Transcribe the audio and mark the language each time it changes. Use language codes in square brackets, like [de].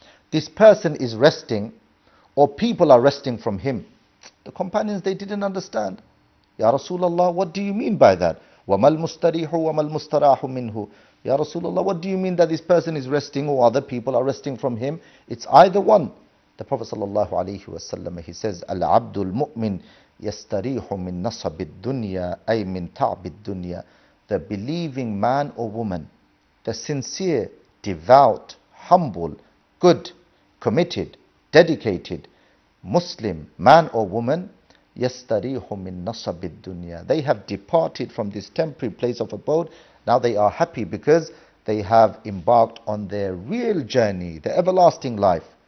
[en] This person is resting, or people are resting from him. The companions, they didn't understand. Ya Rasulullah, what do you mean by that? [ar] وَمَا الْمُسْتَرِيحُ وَمَا الْمُسْتَرَاحُ مِنْهُ. [en] Ya Rasulullah, what do you mean that this person is resting or other people are resting from him? It's either one. The Prophet sallallahu alayhi wa sallam, he says, [ar] الْعَبْدُ الْمُؤْمِنِ يَسْتَرِيحُ مِنْ نَصَبِ الدُّنْيَا أَيْ مِنْ تَعْبِ الدُّنْيَا. [en] The believing man or woman, the sincere, devout, humble, good, committed, dedicated, Muslim man or woman, [ar] يَسْتَرِيحُ مِنْ نَصَبِ الدُّنْيَا. [en] They have departed from this temporary place of abode. Now they are happy because they have embarked on their real journey, the everlasting life.